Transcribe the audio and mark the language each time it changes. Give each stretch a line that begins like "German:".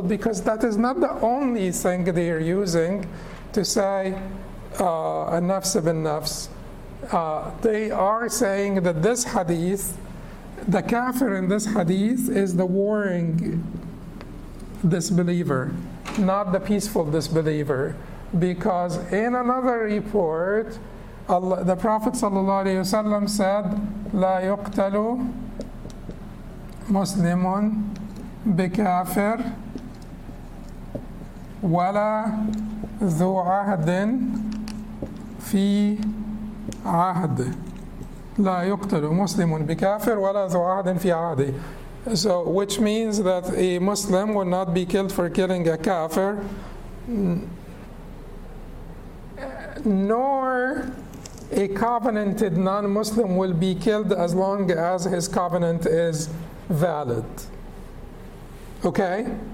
English: Because that is not the only thing they are using to say an-nafs bin-nafs. They are saying that this hadith, the kafir in this hadith is the warring disbeliever, not the peaceful disbeliever. Because in another report, the Prophet ﷺ said,
Arabic: لَا يُقْتَلُ مُسْلِمٌ بِكَافِرٌ وَلَا ذُو عَهْدٍ فِي عَهْدٍ. لا يقتل مسلم بكافر ولا ذو عهد في عهده.
English: So, which means that a Muslim will not be killed for killing a kafir, nor a covenanted non-Muslim will be killed as long as his covenant is valid. Okay?